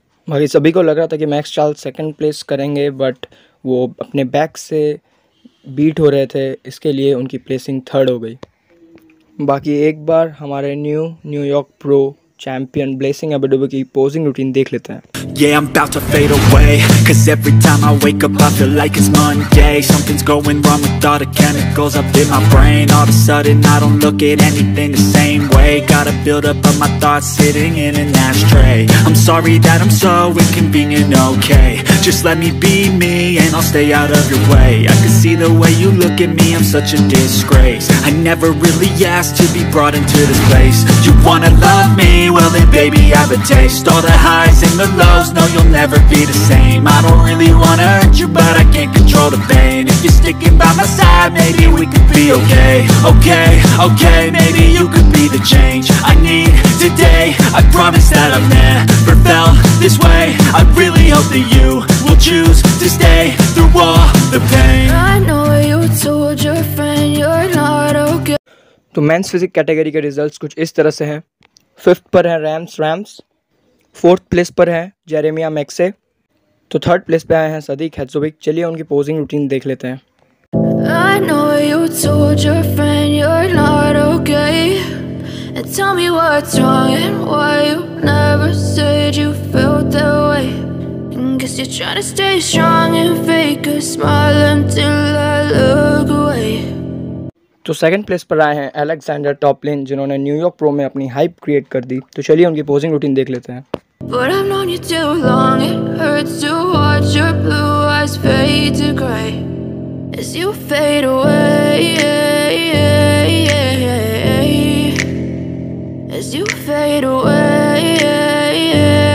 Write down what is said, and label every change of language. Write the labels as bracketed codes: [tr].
[hi] भाई सभी को लग रहा था कि मैक्स चार्ल्स सेकेंड प्लेस करेंगे, बट वो अपने बैक से बीट हो रहे थे, इसके लिए उनकी प्लेसिंग थर्ड हो गई। बाकी एक बार हमारे न्यूयॉर्क प्रो चैंपियन ब्लेसिंग एबेडिबो की पोजिंग रूटीन देख लेते हैं। [en] Yeah, I'm about to fade away, 'cause every time I wake up I feel like it's Monday. Something's going wrong with all the chemicals up in my brain. All of a sudden I don't look at anything the same way. Gotta build up of my thoughts sitting in an ashtray. I'm sorry that I'm so inconvenient, okay. Just let me be me and I'll stay out of your way. I can see the way you look at me, I'm such a disgrace. I never really asked to be brought into this place. You wanna love me? Well then baby I have a taste. All the highs and the lows, no, you'll never be the same. I don't really wanna hurt you, but I can't control the pain. If you're sticking by my side, maybe we could be okay. Okay, okay, maybe you could be the change I need today. I promise that I've never felt this way. I really hope that you will choose to stay through all the pain. I know you told your friend you're not okay. [hi] तो men's physique category के results कुछ इस तरह से हैं। Fifth पर हैं Rams। Fourth place पर है जेरेमिया मैक्से, तो थर्ड प्लेस पे आए हैं सदीक हैज़ोविक। चलिए उनकी पोजिंग रूटीन देख लेते हैं। [en] I know you told your friend you're not okay. And tell me what's wrong and why you never said you felt that way. Guess you're trying to stay strong and fake a smile until I look away. [hi] तो second place पर आए हैं Alexander टॉपलिन, जिन्होंने New York pro में अपनी hype create कर दी। तो चलिए उनकी पोजिंग रूटीन देख लेते हैं। [en] But I've known you too long, it hurts to watch your blue eyes fade to gray as you fade away, as you fade away.